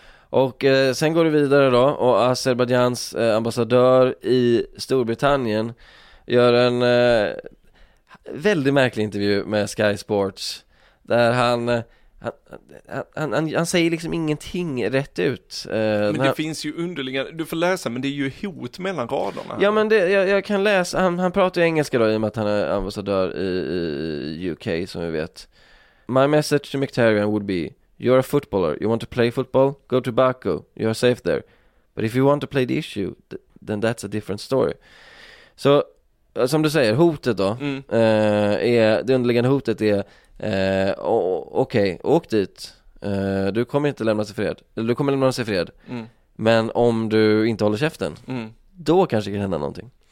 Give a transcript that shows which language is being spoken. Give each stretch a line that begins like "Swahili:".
Swedish: Och sen går det vidare då, och Azerbajdzjans ambassadör i Storbritannien gör en väldigt märklig intervju med Sky Sports där han säger liksom ingenting rätt ut. Finns ju underliggande, du får läsa, men det är ju hot mellan raderna. Ja, men det, jag kan läsa, han pratar ju engelska då i och med att han är ambassadör i UK som vi vet.
English: My message to Mkhitaryan would be: you're a footballer, you want to play football, go to Baku, you're safe there. But if you want to play the issue, then that's a different story.
Swedish: Så som du säger, hotet då, det underliggande hotet är okej, åk dit, du kommer inte lämna sig fred, eller du kommer lämna sig fred, men om du inte håller käften, då kanske det kan hända någonting.